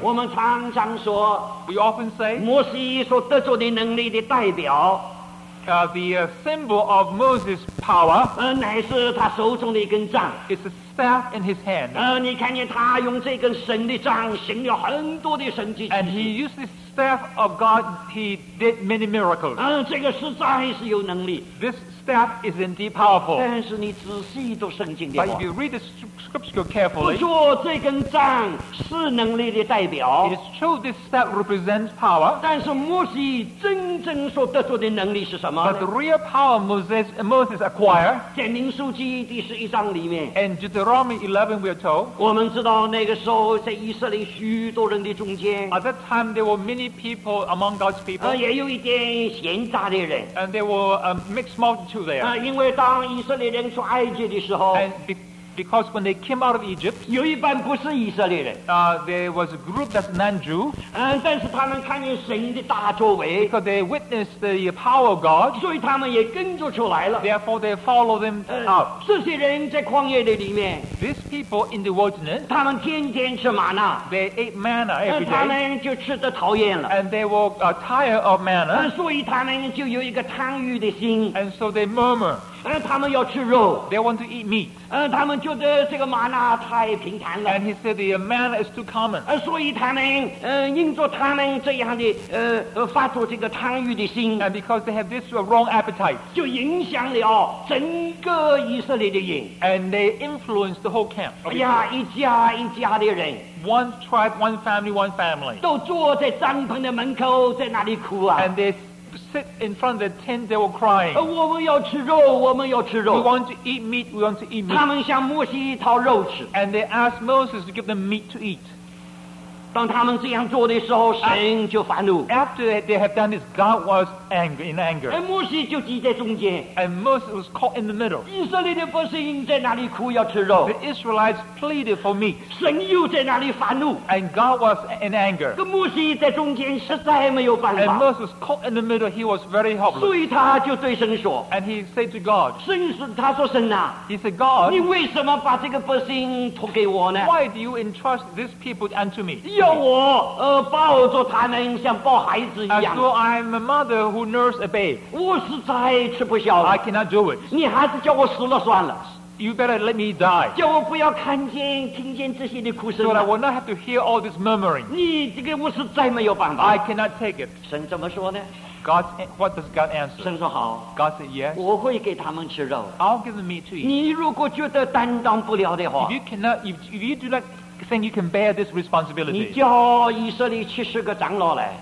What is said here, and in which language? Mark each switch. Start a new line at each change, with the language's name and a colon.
Chinese: 我们常常说
English: We often say
Chinese: 摩西所得着的能力的代表
English: The symbol of Moses' power
Chinese: 乃是他手中的一根杖
English: It's a staff in his hand
Chinese: 你看见他用这根神的杖行了很多的神迹
English: And he used the staff of God He did many miracles
Chinese: 这个实在是有能力
English: This staff is indeed powerful
Chinese: 但是你仔细读圣经的话
English: But if you read the scripture carefully
Chinese: 不说这根杖是能力的代表
English: It is true this staff represents power
Chinese: 但是摩西真正所得出的能力是什么
English: But the real power Moses acquired
Chinese: 简明书记第十一章里面
English: And Deuteronomy 11 we are told
Chinese: 我们知道那个时候在以色列许多人的中间
English: At that time there were many people among God's people
Chinese: 也有一点闲杂的人
English: And there were a mixed multitude there
Chinese: 因为当以色列人出埃及的时候
English: Because when they came out of Egypt, there was a group that's non-Jew. Because they witnessed the power of God. Therefore, they followed them up. These people in the wilderness, they ate manna every day. And they were tired of manna. And so they murmured.
Chinese: 他们要吃肉
English: They want to eat meat
Chinese: 他们觉得这个玛纳太平坦了
English: And he said the manna is too common
Chinese: 所以他们因着他们这样的发出这个贪欲的心
English: And because they have this wrong appetite
Chinese: 就影响了整个以色列的营
English: And they influenced the whole camp
Chinese: 哎呀一家一家的人
English: One tribe, one family, one family
Chinese: 都坐在帐篷的门口在那里哭啊
English: And they sit in front of the tent, they were crying.
Chinese: 我们要吃肉，我们要吃肉。
English: We want to eat meat, we want to eat meat.
Chinese: 他们向摩西讨肉吃。
English: And they asked Moses to give them meat to eat.
Chinese: 当他们这样做的时候，神就发怒。
English: After they have done this, God was angry, in anger.
Chinese: 摩西就挤在中间。
English: And Moses was caught in the middle.
Chinese: 以色列的百姓在哪里哭要吃肉。
English: The Israelites pleaded for meat.
Chinese: 神又在哪里发怒。
English: And God was in anger.
Chinese: 摩西在中间实在没有办法。
English: And Moses was caught in the middle, he was very helpless.
Chinese: 所以他就对神说。
English: And he said to God,
Chinese: 神是他说神啊。
English: He said, God,
Chinese: 你为什么把这个百姓托给我呢？
English: Why do you entrust these people unto me?
Chinese: 叫我抱着他们像抱孩子一样。
English: So I'm a mother who nurses a babe.
Chinese: 我实在吃不消了。
English: I cannot do it.
Chinese: 你还是叫我死了算了。
English: You better let me die.
Chinese: 叫我不要看见、听见这些的哭声。
English: So I will not have to hear all this murmuring.
Chinese: 你这个我实在没有办法。
English: I cannot take it.
Chinese: 神怎么说呢？
English: God, what does God answer?
Chinese: 神说好。
English: God said yes.
Chinese: 我会给他们吃肉。
English: I'll give them meat to eat.
Chinese: 你如果觉得担当不了的话
English: ，If you cannot, if you do not think you can bear this responsibility.
Chinese: 你叫以色列七十个长老来。